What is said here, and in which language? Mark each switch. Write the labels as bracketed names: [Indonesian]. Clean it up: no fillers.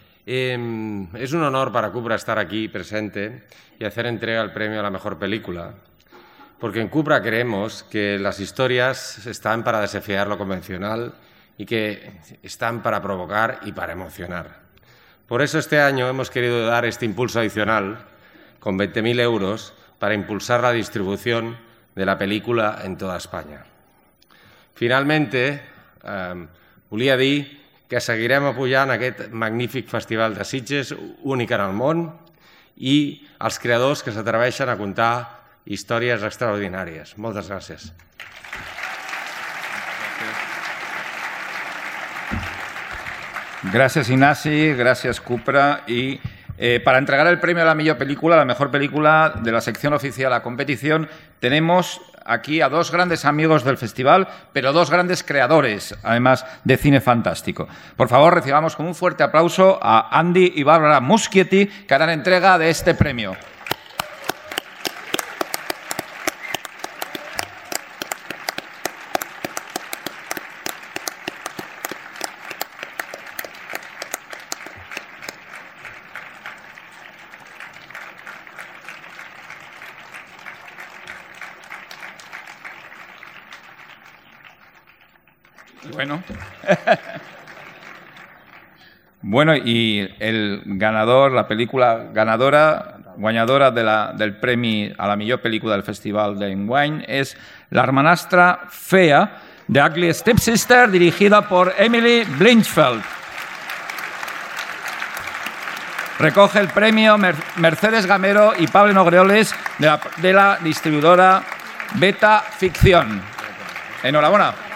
[Spanish] Es un honor para Cupra estar aquí presente y hacer entrega al premio a la mejor película, porque en Cupra creemos que las historias están para desafiar lo convencional y que están para provocar y para emocionar. Por eso este año hemos querido dar este impulso adicional con 20.000 euros para impulsar la distribución de la película en toda España. [Catalan] Finalmente, volia dir que seguirem apujant aquest magnífic festival de Sitges, únic en el món, i els creadors que s'atreveixen a contar històries extraordinàries. Moltes gràcies. Gràcies, Ignasi, gràcies, Cupra. I per entregar el premi a la millor pel·lícula, la millor pel·lícula de la secció oficial a competició, tenim aquí a [Spanish] dos grandes amigos del festival, pero dos grandes creadores, además, de cine fantástico. Por favor, recibamos con un fuerte aplauso a Andy y Barbara Muschietti, que harán entrega de este premio. Bueno, y el ganador, la película ganadora, [Catalan] guanyadora del premi a la millor pel·lícula del Festival d'enguany és La hermanastra fea, The Ugly Stepsister, dirigida per Emily Blinchfeld. [Spanish] Recoge el premio Mercedes Gamero i Pablo Nogreoles de la distribuidora Beta Ficción. [Catalan] Enhorabona.